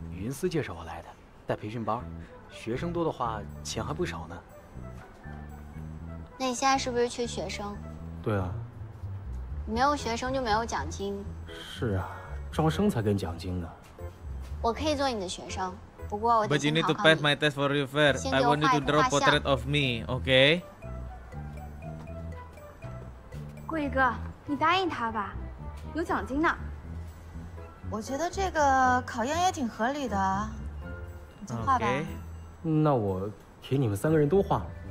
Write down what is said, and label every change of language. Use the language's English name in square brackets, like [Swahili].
[Chinese] 云思介绍我来的，带培训班。学生多的话，钱还不少呢。那你现在是不是缺学生？对啊。没有学生就没有奖金。是啊，招生才给奖金呢。我可以做你的学生，不过我得先考考你。 [English] But you need to pass my test for you first. I want you to draw a portrait of me, okay? 桂哥，你答应他吧，有奖金呢。我觉得这个考验也挺合理的，你就画吧。 Okay. [Chinese] 那我给你们三个人都画。